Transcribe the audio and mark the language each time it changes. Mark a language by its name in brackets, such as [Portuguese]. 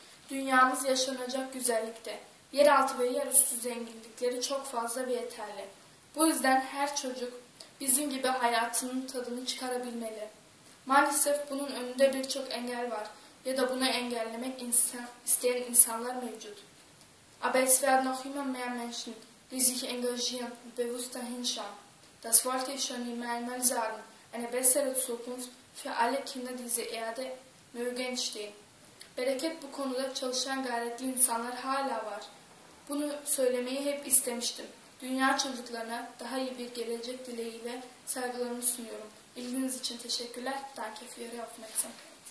[Turkish] Dünyamız yaşanacak güzellikte. Yeraltı ve yerüstü zenginlikleri çok fazla ve yeterli. Bu yüzden her çocuk bizim gibi hayatının tadını çıkarabilmeli. Maalesef bunun önünde birçok engel var ya da bunu engellemek isteyen insanlar mevcut. [German] Aber es werden auch immer mehr Menschen, die sich engagieren und bewusst dahin schauen. Das wollte ich schon immer einmal sagen. Eine bessere Zukunft für alle Kinder dieser Erde möge entstehen. [Turkish] Bereket bu konuda çalışan gayretli insanlar hala var. Bunu söylemeyi hep istemiştim. Dünya çocuklarına daha iyi bir gelecek dileğiyle saygılarımı sunuyorum. İlginiz için teşekkürler. [German] Danke für Ihre Aufmerksamkeit.